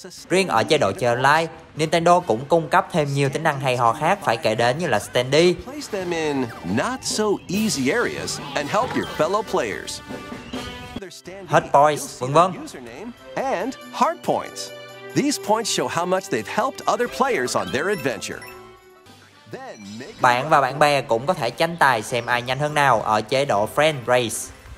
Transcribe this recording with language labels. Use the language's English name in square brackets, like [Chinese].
[Vietnamese] Riêng ở chế độ chơi online, Nintendo cũng cung cấp thêm nhiều tính năng hay ho khác phải kể đến như là Standy. [English] Place them in not so easy areas and help your fellow players. Hot points, [Vietnamese] vân vân. [English] And hard points. These points show how much they've helped other players on their adventure. [Vietnamese] Bạn và bạn bè cũng có thể tranh tài xem ai nhanh hơn nào ở chế độ Friend Race.